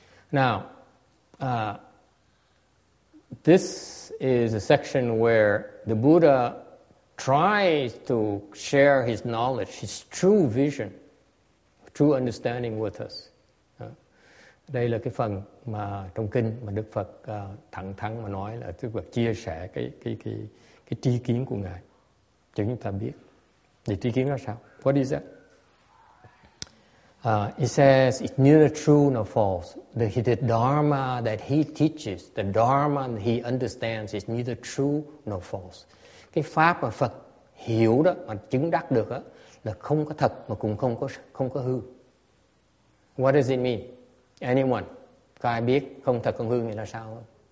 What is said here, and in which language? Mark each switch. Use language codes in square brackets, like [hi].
[en] Now, this is a section where the Buddha tries to share his knowledge, his true vision, true understanding with us. [vi] Đây là cái phần mà trong kinh mà Đức Phật thẳng thắn mà nói là tức là chia sẻ cái tri kiến của ngài cho chúng ta biết. Thì tri kiến là sao? [en] What is that? It says it's neither true nor false. The dharma that he teaches, the dharma that he understands is neither true nor false. [vi] Cái pháp mà Phật hiểu đó mà chứng đắc được đó, là không có thật mà cũng không có hư. [en] What does it mean? Anyone? [vi] Có ai biết không thật không hư nghĩa là sao không?